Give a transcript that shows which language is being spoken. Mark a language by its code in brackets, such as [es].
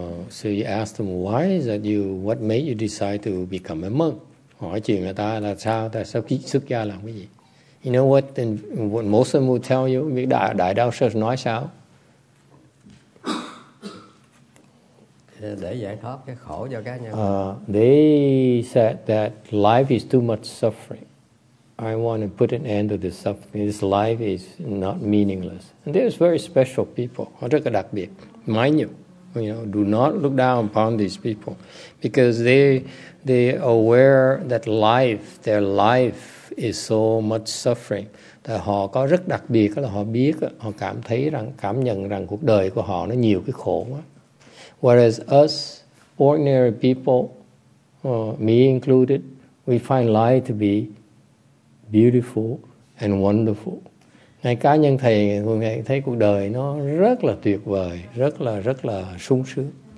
[en] So you ask them why is that you, what made you decide to become a monk? [vi] Hỏi chuyện người ta là sao, tại sao khi xuất gia làm cái gì? [en] You know what, then, what most of them will tell you, [vi] việc đại đạo sư nói sao? Để giải thoát cái khổ cho cá nhân. [en] They said that life is too much suffering. I want to put an end to this suffering. This life is not meaningless. And there's very special people. [vi] Họ rất là đặc biệt. [en] Mind you, you know, do not look down upon these people, because they are aware that life, their life is so much suffering. [vi] Tại họ có rất đặc biệt là họ biết, họ cảm thấy rằng, cảm nhận rằng cuộc đời của họ nó nhiều cái khổ quá. [en] Whereas us ordinary people, me included, we find life to be beautiful and wonderful. [vi] Ngay cá nhân thầy, ngài thấy cuộc đời nó rất là tuyệt vời, rất là sung sướng.